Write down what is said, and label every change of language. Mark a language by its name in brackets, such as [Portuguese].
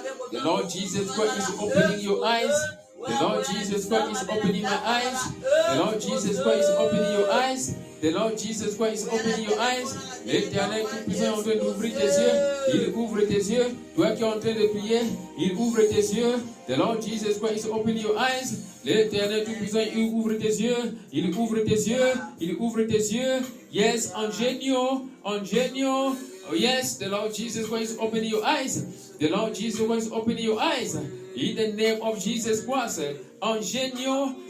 [English] The Lord Jesus Christ is opening your eyes. The Lord Jesus Christ is opening my eyes. The Lord Jesus Christ is opening your eyes. The Lord Jesus Christ is opening your eyes. [French] L'Éternel Tout-Puissant est en train d'ouvrir tes yeux. Il ouvre tes yeux. Toi qui es en train de prier, il ouvre tes yeux. [English] The Lord Jesus Christ is opening your eyes. [French] L'Éternel Tout-Puissant, il ouvre tes yeux. Il ouvre tes yeux. Il ouvre tes yeux. Yes, Angelio. Angelio. [English] Oh, yes, the Lord Jesus Christ is opening your eyes. The Lord Jesus Christ is opening your eyes. In the name of Jesus Christ. Angelio.